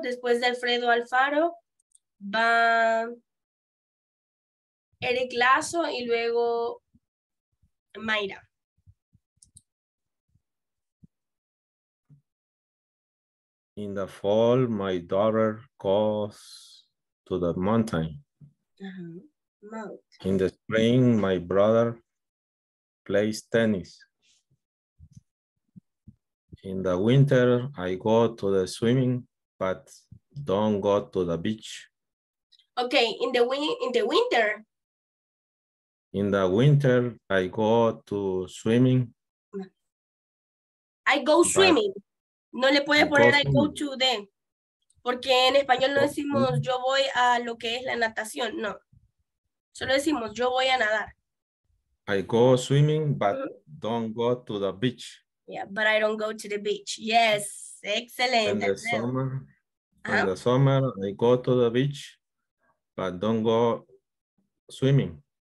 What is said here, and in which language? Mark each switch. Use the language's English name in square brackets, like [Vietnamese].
[Spanish] Después de Alfredo Alfaro va Eric Lazo y luego Mayra. [English] In the fall, my daughter goes to the mountain. Uh-huh. In the spring, my brother plays tennis. In the winter, I go to the swimming, but don't go to the beach. Okay, in the winter. In the winter, I go to swimming. I go swimming. [Spanish] No le puede poner [English] I go to then. [Spanish] Porque en español no decimos yo voy a lo que es la natación. No. Solo decimos yo voy a nadar. [English] I go swimming, but don't go to the beach. Yeah, but I don't go to the beach. Yes. Excellent. In the summer, I go to the beach, but don't go swimming.